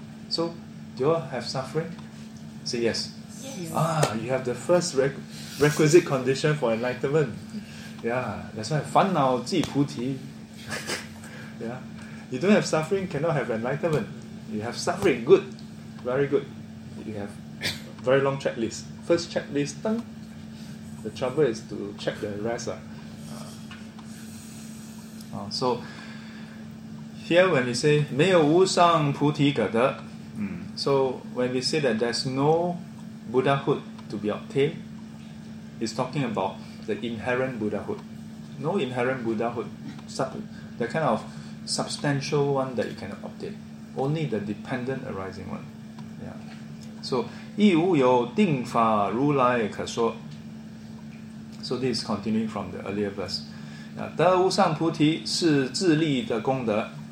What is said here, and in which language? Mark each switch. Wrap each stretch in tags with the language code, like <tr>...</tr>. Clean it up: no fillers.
<en>So, do you all have suffering? Say yes. You have the first requisite condition for enlightenment. That's why,</en> <zh>烦恼即菩提.</zh> <en>You don't have suffering, cannot have enlightenment. You have suffering, good. Very good. You have very long checklist. First checklist, tang. The trouble is to check the rest. So, here when we say,</en> <zh>没有无上菩提可得,</zh> <en>so when we say that there's no Buddhahood to be obtained, it's talking about the inherent Buddhahood. No inherent Buddhahood. The kind of substantial one that you can obtain. Only the dependent arising one.</en> <zh>So, 亦无有定法如来可说.</zh> <en>So this is continuing from the earlier verse.</en> <zh>得无上菩提是自利的功德.</zh>